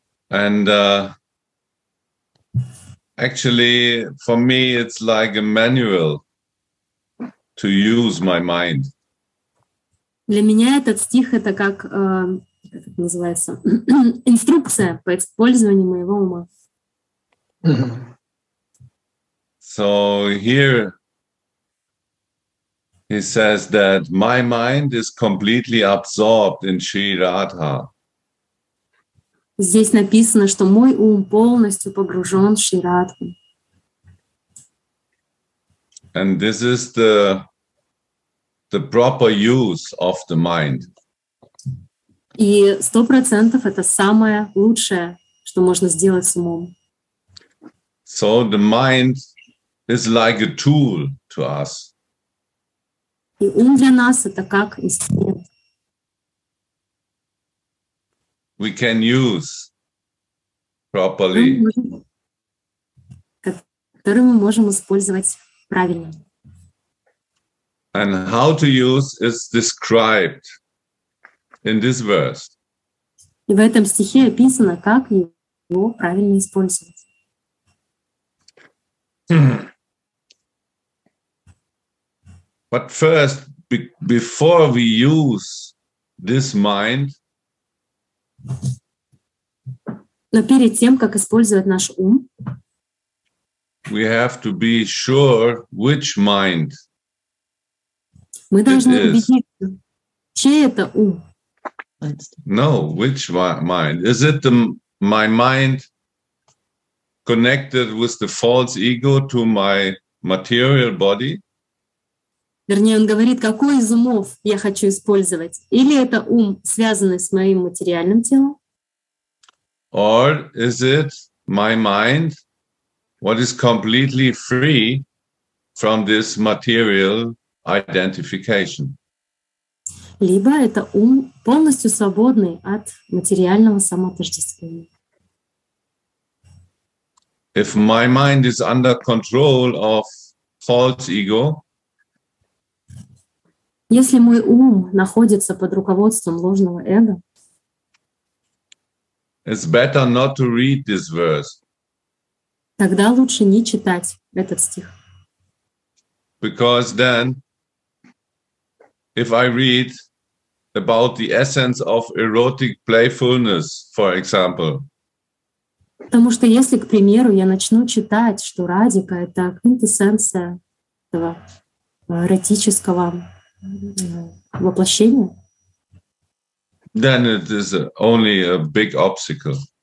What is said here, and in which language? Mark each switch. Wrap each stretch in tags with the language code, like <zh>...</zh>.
<en>And actually, for me, it's like a manual to use my mind.</en> <ru>Для меня этот стих это как это называется, инструкция по использованию моего ума.</ru> <en>So here he says that my mind is completely absorbed in Sri Radha.</en> <ru>Здесь написано, что мой ум полностью погружен в Шри Радху.</ru> <en>And this is the proper use of the mind.</en> <ru>И 100% это самое лучшее, что можно сделать с умом.</ru> <en>So the mind is like a tool to us.</en> <ru>И ум для нас это как инструмент.</ru> <en>We can use properly.</en> <ru>Который мы можем использовать правильно.</ru> <en>And how to use is described in this verse.</en> <ru>И в этом стихе описано, как его правильно использовать.</ru> <en>But first, before we use this mind,</en> <ru>но перед тем, как использовать наш ум,</ru> <en>we have to be sure which mind.</en> <ru>Мы должны убедиться, чей это ум.</ru> <en>No, which mind? Is it my mind connected with the false ego to my material body?</en> <ru>Вернее, он говорит, какой из умов я хочу использовать. Или это ум, связанный с моим материальным телом?</ru> <en>Or is it my mind, what is completely free from this material identification.</en> <ru>Либо это ум полностью свободный от материального самоотождествления.</ru> <en>If my mind is under control of false ego,</en> <ru>если мой ум находится под руководством ложного эго,</ru> <en>it's better not to read this verse.</en> <ru>Тогда лучше не читать этот стих.</ru> <en>Because then if I read about the essence of erotic playfulness, for example.</en> <ru>Потому что если, к примеру, я начну читать, что радика — это квинтэссенция этого эротического воплощения,</ru> <en>then it is only a big obstacle.</en>